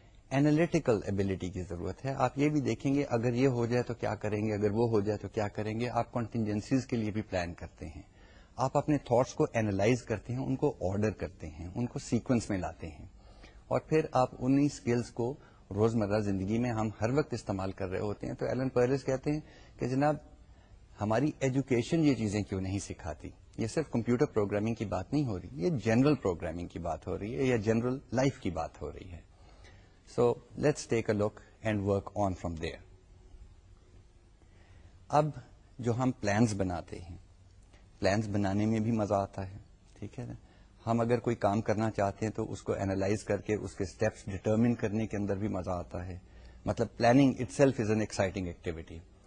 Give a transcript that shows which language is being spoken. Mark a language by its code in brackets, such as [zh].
[ur] Analytical ability کی ضرورت ہے, آپ یہ بھی دیکھیں گے اگر یہ ہو جائے تو کیا کریں گے, اگر وہ ہو جائے تو کیا کریں گے, آپ کنٹنجنسیز کے لیے بھی پلان کرتے ہیں, آپ اپنے تھاٹس کو اینالائز کرتے ہیں, ان کو آرڈر کرتے ہیں, ان کو سیکوینس میں لاتے ہیں, اور پھر آپ انہی اسکلس کو روزمرہ زندگی میں ہم ہر وقت استعمال کر رہے ہوتے ہیں. تو ایلن پرلس کہتے ہیں کہ جناب ہماری ایجوکیشن یہ چیزیں کیوں نہیں سکھاتی, یہ صرف کمپیوٹر پروگرامنگ کی بات نہیں ہو رہی, یہ جنرل پروگرامنگ کی بات ہو رہی ہے یا جنرل لائف کی بات ہو رہی ہے. [en] So let's take a look and work on from there. [ur] اب جو ہم پلانس بناتے ہیں, پلانس بنانے میں بھی مزہ آتا ہے, ٹھیک ہے نا, ہم اگر کوئی کام کرنا چاہتے ہیں تو اس کو اینالائز کر کے اس کے اسٹیپس ڈیٹرمن کرنے کے اندر بھی مزہ آتا ہے, مطلب [en] Planning itself is an exciting activity.